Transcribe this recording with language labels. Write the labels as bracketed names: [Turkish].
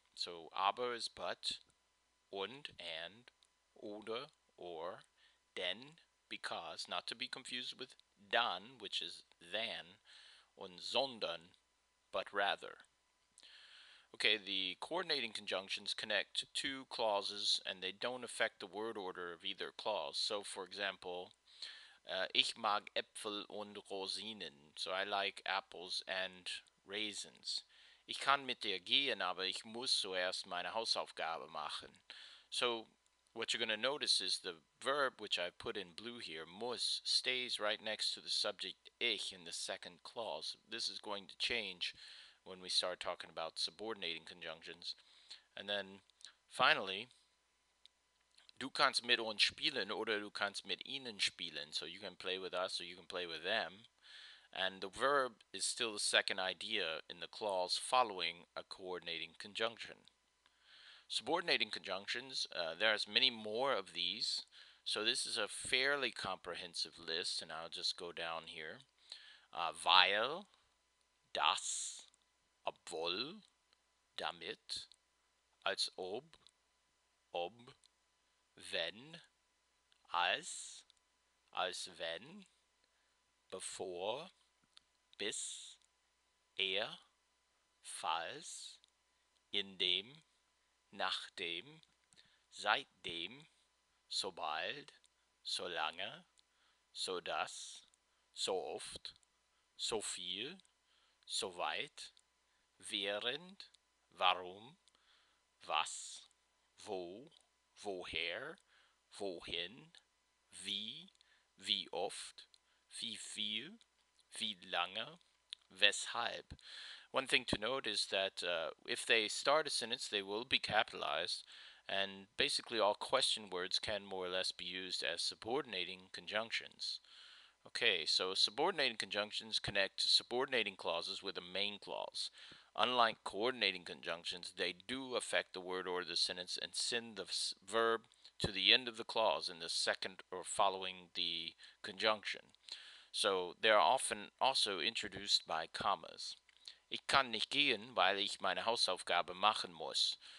[English] So, aber is but, und, and, oder, or, then, because, not to be confused with dann, which is than, und sondern, but rather. Okay, the coordinating conjunctions connect two clauses, and they don't affect the word order of either clause. So, for example, [German] ich mag Äpfel und Rosinen. [English] So I like apples and raisins. [German] Ich kann mit dir gehen, aber ich muss zuerst meine Hausaufgabe machen. [English] So what you're going to notice is the verb, which I put in blue here, muss, stays right next to the subject ich in the second clause. This is going to change when we start talking about subordinating conjunctions. And then finally, [German] du kannst mit uns spielen oder du kannst mit ihnen spielen. [English] So you can play with us or you can play with them. And the verb is still the second idea in the clause following a coordinating conjunction. Subordinating conjunctions, there are many more of these. So this is a fairly comprehensive list, and I'll just go down here. [German] Weil, das, obwohl, damit, als ob, ob, wenn, als, als wenn, before, bis, eher, falls, in dem, nachdem, seitdem, sobald, solange, sodass, so oft, so viel, soweit, während, warum, was, wo, woher, wohin, wie, wie oft, wie viel, wie lange, weshalb. [English] One thing to note is that if they start a sentence, they will be capitalized, and basically all question words can more or less be used as subordinating conjunctions. Okay, so subordinating conjunctions connect subordinating clauses with a main clause. Unlike coordinating conjunctions, they do affect the word order of the sentence and send the verb to the end of the clause in the second or following the conjunction. So they are often also introduced by commas. [German] Ich kann nicht gehen, weil ich meine Hausaufgabe machen muss.